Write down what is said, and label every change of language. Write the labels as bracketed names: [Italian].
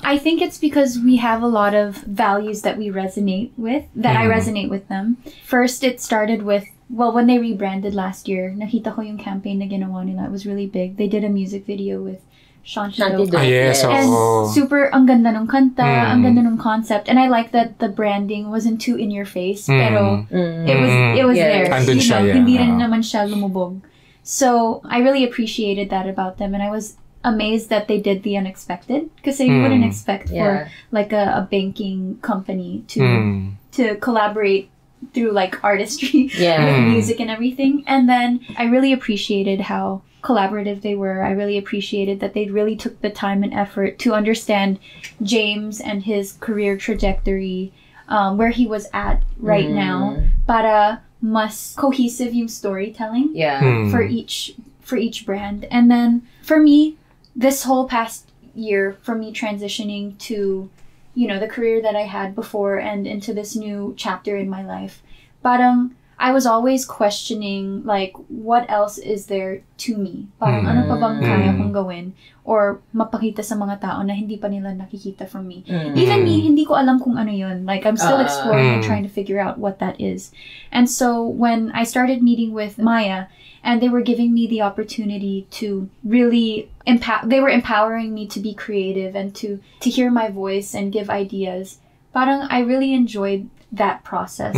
[English] I think it's because we have a lot of values that we resonate with, that I resonate with them. First, it started with, well, when they rebranded last year, [Filipino] nakita ko yung campaign na ginawa nila. [English] It was really big. They did a music video with Sean Chido. And super, [Filipino] ang ganda nung kanta, ang ganda nung concept. [English] And I like that the branding wasn't too in your face, pero it was there. [Filipino] Hindi rin naman siya lumubog. [English] So, I really appreciated that about them, and I was amazed that they did the unexpected, because you wouldn't expect for like a banking company to collaborate through like artistry with music and everything. And then I really appreciated how collaborative they were. I really appreciated that they really took the time and effort to understand James and his career trajectory, where he was at right now [Filipino] para mas [English] cohesive yung storytelling for each brand. And then for me, this whole past year, for me transitioning to, you know, the career that I had before and into this new chapter in my life, parang I was always questioning, like, what else is there to me? [Filipino] Parang ano pa bang kaya kong gawin? Or mapakita sa mga tao na hindi pa nila nakikita from me. [English] Even me, [Filipino] hindi ko alam kung ano yun. [English] Like, I'm still exploring and trying to figure out what that is. And so when I started meeting with Maya, and they were giving me the opportunity to really empowering me to be creative and to hear my voice and give ideas, parang I really enjoyed that process.